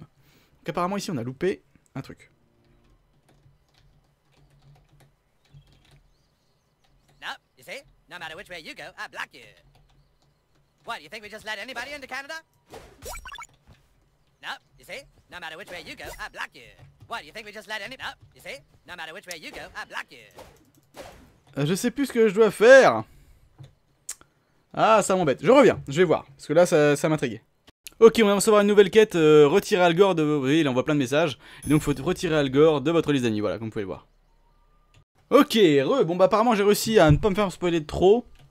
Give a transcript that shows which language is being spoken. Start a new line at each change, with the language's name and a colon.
French: Donc apparemment ici on a loupé un truc.
English: No, you see, no matter which way you go, I block you. What, you think we just let anybody into Canada? No, you see, no matter which way you go, I block you. What, you think we just let any... No, you see, no matter which way you go, I block you.
French: Je sais plus ce que je dois faire. Ah, ça m'embête. Je reviens, je vais voir. Parce que là, ça m'intriguait. Ok, on va recevoir une nouvelle quête. Retirer Al Gore de... Oui, il envoie plein de messages. Et donc, faut retirer Al Gore de votre liste d'amis. Voilà, comme vous pouvez le voir. Ok, bon, bah apparemment, j'ai réussi à ne pas me faire spoiler trop.